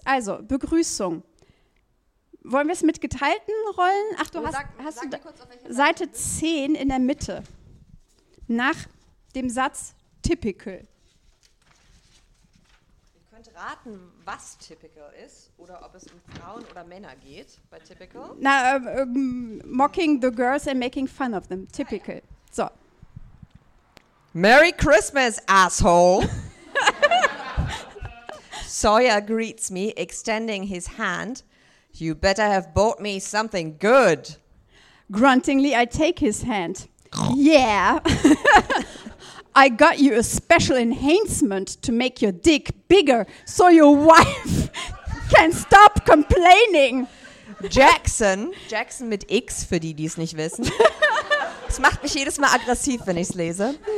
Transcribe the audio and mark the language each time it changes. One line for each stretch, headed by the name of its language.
German: Also, Begrüßung. Wollen wir es mit geteilten Rollen? Ach, du hast Seite 10 in der Mitte. Nach dem Satz typical. Ihr könnt raten, was typical ist oder ob es um Frauen oder Männer geht bei typical.
English: Na, mocking the girls and making fun of them.
German: Typical. Ah, ja. So.
English: Merry Christmas, asshole. Sawyer greets me, extending his hand. You better have bought me something good. Gruntingly, I take his hand. Yeah. I got you a special enhancement to make your dick bigger so your wife can stop complaining.
German: Jackson mit X für die, die es nicht wissen. Es macht mich jedes Mal aggressiv, wenn ich es lese.